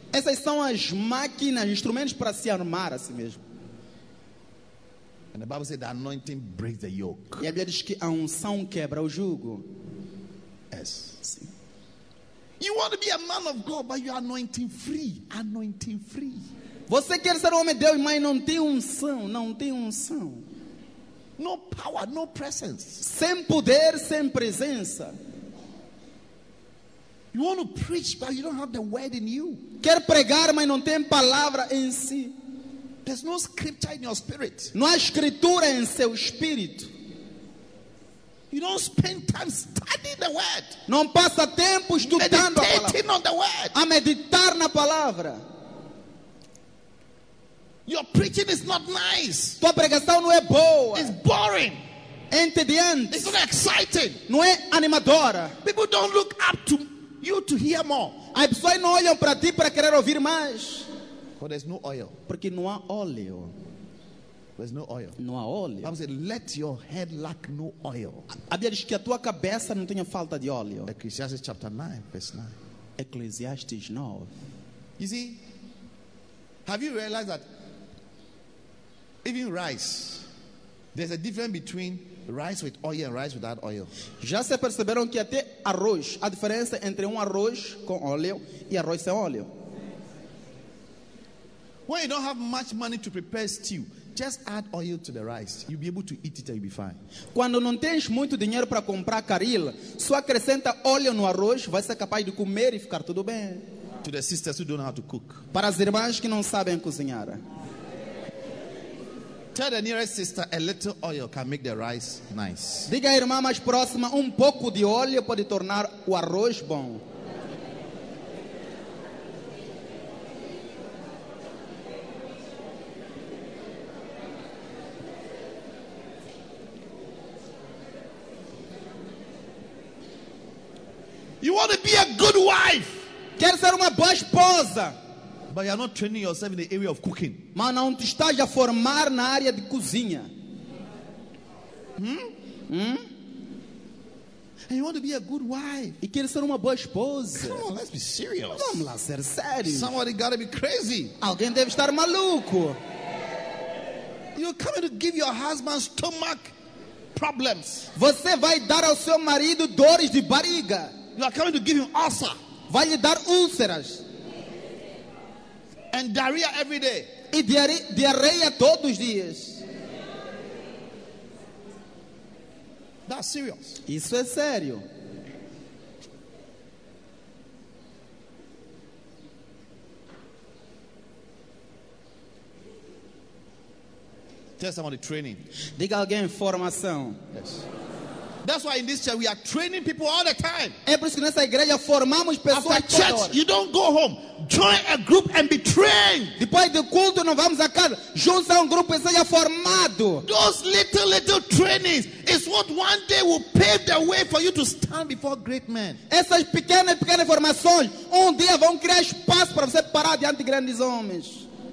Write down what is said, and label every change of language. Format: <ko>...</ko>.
<pt>Essas são as máquinas, instrumentos para se armar a si mesmo.</pt> <en>And the Bible says the anointing breaks the yoke.</en> <pt>E a Bíblia diz que a unção quebra o jugo.</pt> <en>Yes.</en> <pt>Sim.</pt> <en>You want to be a man of God, but you are anointing free. Anointing free.</en> <pt>Você quer ser um homem de Deus, mas não tem unção. Não tem unção.</pt> <en>No power, no presence.</en> <pt>Sem poder, sem presença.</pt> <en>You want to preach, but you don't have the word in you.</en> <pt>Quer pregar, mas não tem palavra em si.</pt> <en>There's no scripture in your spirit.</en> <pt>Não há escritura em seu espírito.</pt> <en>You don't spend time studying the word.</en> <pt>Não passa tempo estudando a palavra.</pt> <en>Meditating on the word.</en> <pt>A meditar na palavra.</pt> <en>Your preaching is not nice.</en> <pt>Tua pregação não é boa.</pt> <en>It's boring.</en> <pt>Entediante.</pt> <en>It's not exciting.</en> <pt>Não é animadora.</pt> <en>People don't look up to you to hear more.</en> <pt>As pessoas não olham para ti para querer ouvir mais.</pt> <en>But there's no oil.</en> <pt>Porque não há óleo.</pt> <en>There's no oil.</en> <pt>Não há óleo.</pt> <en>The Bible says, let your head lack no oil.</en> <pt>A Bíblia diz que a tua cabeça não tenha falta de óleo.</pt> <en>Ecclesiastes chapter 9, verse 9.</en> <pt>Ecclesiastes 9.</pt> <en>You see, have you realized that even rice, there's a difference between rice with oil and rice without oil.</en> <pt>Já se perceberam que até arroz, a diferença entre arroz com óleo e arroz sem óleo.</pt> <en>When you don't have much money to prepare stew, just add oil to the rice. You'll be able to eat it and you'll be fine.</en> <pt>Quando não tens muito dinheiro para comprar caril, só acrescenta óleo no arroz, vai ser capaz de comer e ficar tudo bem.</pt> <en>To the sisters who don't know how to cook.</en> <pt>Para as irmãs que não sabem cozinhar.</pt> <en>Tell the nearest sister a little oil can make the rice nice.</en> <pt>Diga à irmã mais próxima, pouco de óleo pode tornar o arroz bom.</pt> <en>You want to be a good wife.</en> <pt>Quer ser uma boa esposa.</pt> <en>But you are not training yourself in the area of cooking.</en> <pt>Mas não te estás a formar na área de cozinha.</pt> <en>And you want to be a good wife.</en> <pt>E quer ser uma boa esposa.</pt> <en>Come on, let's be serious.</en> <pt>Vamos lá ser sério.</pt> <en>Somebody got to be crazy.</en> <pt>Alguém deve estar maluco.</pt> <en>You're coming to give your husband stomach problems.</en> <pt>Você vai dar ao seu marido dores de barriga.</pt> <en>You are coming to give him ulcer.</en> <pt>Vai lhe dar úlceras.</pt> <en>And diarrhea every day.</en> <pt>E diarreia todos os dias.</pt> <en>That's serious.</en> <pt>Isso é sério.</pt> <en>Tell somebody training.</en> <pt>Diga alguém formação.</pt> <en>Yes. That's why in this church we are training people all the time.</en> <pt>É por isso que nessa igreja formamos pessoas.</pt> <en>After church, you don't go home. Join a group and be trained.</en> <pt>Depois do culto não vamos a casa. Junte a grupo e seja formado.</pt> <en>Those little trainings is what one day will pave the way for you to stand before great men.</en> <pt>Essas pequenas formações dia vão criar espaço para você parar diante de grandes homens.</pt>